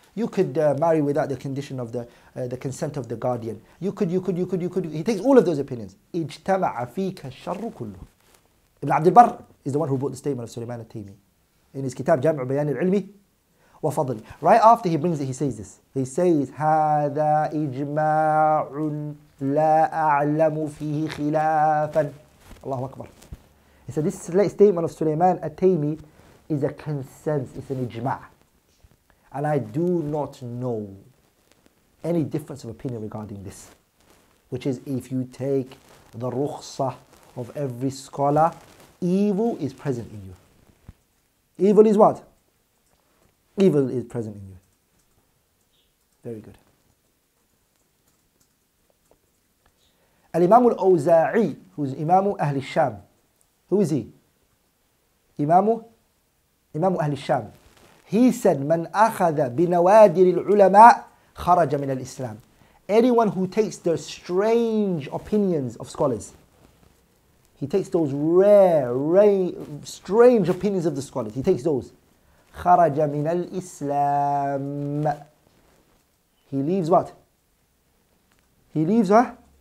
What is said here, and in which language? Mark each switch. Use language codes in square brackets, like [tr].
[en] You could marry without the condition of the consent of the guardian. You could. He takes all of those opinions. [ar] اجْتَمَعَ فِيكَ الشَّرُّ كُلُّهُ. [en] Ibn Abd al-Barr is the one who wrote the statement of Sulaiman al-Taymi in his kitab Jam'u Bayan al-Ilmi. [ar] وفضل. [en] Right after he brings it, he says this. He says, [ar] هذا إجماع لا أعلم فيه خلافا. الله أكبر. [en] He said, this statement of Sulaiman al-Taymi is a consensus, it's an إجماع. And I do not know any difference of opinion regarding this. Which is, if you take the rukhsa of every scholar, evil is present in you. Evil is what? Evil is present in you. Very good. Al-Imam al-Awza'i, who's Imam Ahli al-Sham. Who is he? Imam Ahli al-Sham. He said, [ar] من أخذ بنوادر العلماء خرج من الإسلام. [en] Anyone who takes the strange opinions of scholars, he takes those rare, strange opinions of the scholars, he takes those. [ar] خرج من الإسلام. [en] He leaves what? He leaves, huh?